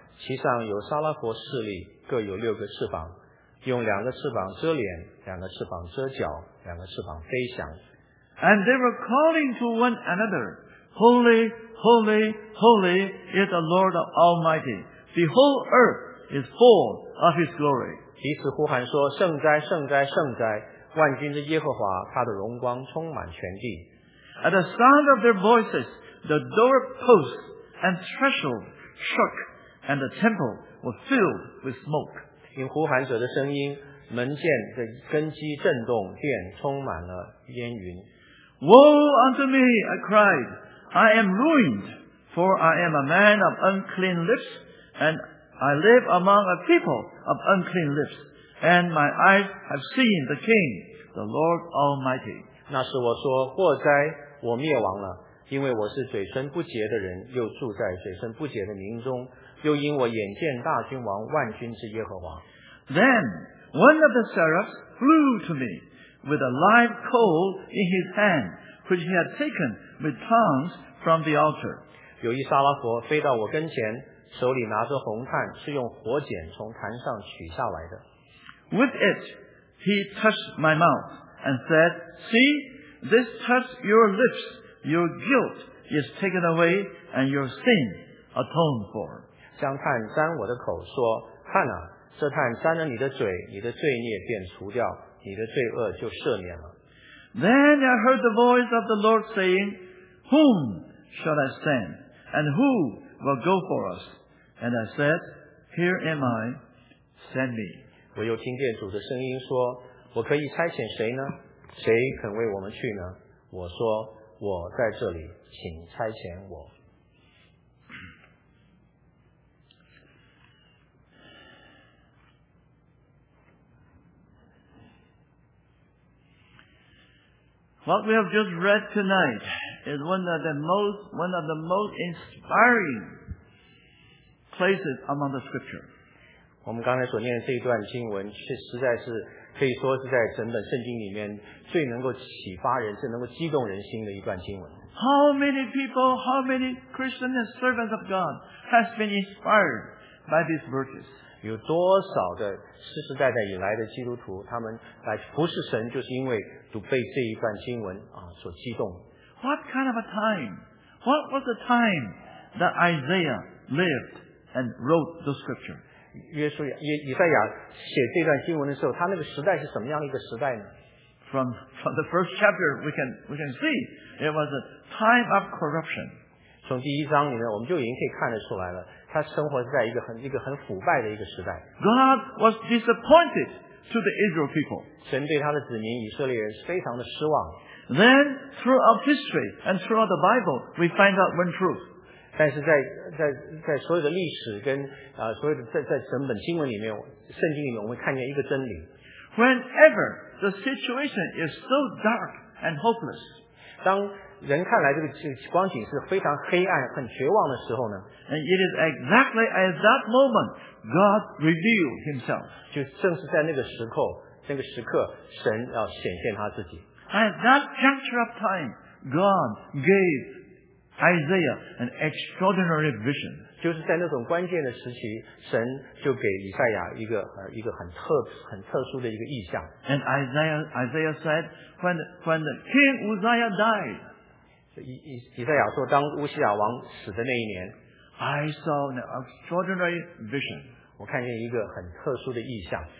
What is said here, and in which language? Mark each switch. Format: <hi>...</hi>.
<zh>其上有撒拉佛势力，各有六个翅膀，用两个翅膀遮脸，两个翅膀遮脚，两个翅膀飞翔。</zh> <en>And they were calling to one another, Holy, holy, holy is the Lord Almighty. The whole earth is full of His glory.</en> <zh>彼此呼喊说，圣哉，圣哉，圣哉，万军之耶和华，他的荣光充满全地。</zh> <en>At the sound of their voices, the doorposts and thresholds shook, and the temple was filled with smoke.</en> <zh>听呼喊者的声音，门键的根基震动，殿充满了烟云。</zh> <en>Woe unto me, I cried, I am ruined, for I am a man of unclean lips, and I live among a people of unclean lips, and my eyes have seen the King, the Lord Almighty.</en> <zh>那时我说，祸哉，我灭亡了，因为我是嘴唇不洁的人，又住在嘴唇不洁的民中，又因我眼见大君王万军之耶和华。</zh> <en>Then one of the seraphs flew to me with a live coal in his hand, which he had taken with tongs from the altar.</en> <zh>有一撒拉佛飞到我跟前，手里拿着红炭，是用火剪从坛上取下来的。</zh> <en>With it he touched my mouth and said, See, this touched your lips, your guilt is taken away and your sin atoned for.</en> <zh>将炭沾我的口说，看啊，这炭沾了你的嘴，你的罪孽便除掉，你的罪恶就赦免了。</zh> <en>Then I heard the voice of the Lord saying, Whom shall I send? And who will go for us? And I said, Here am I, send me.</en> <zh>我又听见主的声音说，我可以差遣谁呢？谁肯为我们去呢？我说，我在这里，请差遣我。</zh> <en>What we have just read tonight is one of the most inspiring places among the scripture.</en> <zh>我们刚才所念的这一段经文，却实在是可以说是在整本圣经里面最能够启发人、最能够激动人心的一段经文。</zh> <en>How many people, how many Christians and servants of God has been inspired by these verses?</en> <zh>有多少的世世代代以来的基督徒，他们来服侍神，就是因为读背这一段经文啊所激动。</zh> <en>What kind of a time? What was the time that Isaiah lived and wrote the scripture?</en> <zh>约书亚以赛亚写这段经文的时候，他那个时代是什么样的一个时代呢？</zh> <en>From the first chapter, we can see it was a time of corruption.</en> <zh>从第一章里面，我们就已经可以看得出来了，他生活在一个很腐败的一个时代。</zh> <en>God was disappointed to the Israel people.</en> <zh>神对他的子民以色列人是非常的失望。</zh> <en>Then throughout history and throughout the Bible, we find out one truth.</en> <zh>但是在所有的历史跟所有的在整本经文里面，圣经里面，我们看见一个真理。</zh> <en>Whenever the situation is so dark and hopeless,</en> <zh>当人看来这个光景是非常黑暗、很绝望的时候呢</zh> <en>，and it is exactly at that moment God revealed Himself.</en> <zh>就正是在那个时刻，神要显现他自己。</zh> <en>At that juncture of time, God gave Isaiah an extraordinary vision.</en> <zh>就是在那种关键的时期，神就给以赛亚一个很特殊的一个意象。</zh> <en>And Isaiah said, when the king Uzziah died,</en> <zh>以赛亚说，当乌西亚王死的那一年</zh> <en>，I saw an extraordinary vision.</en> <zh>我看见一个很特殊的意象。</zh>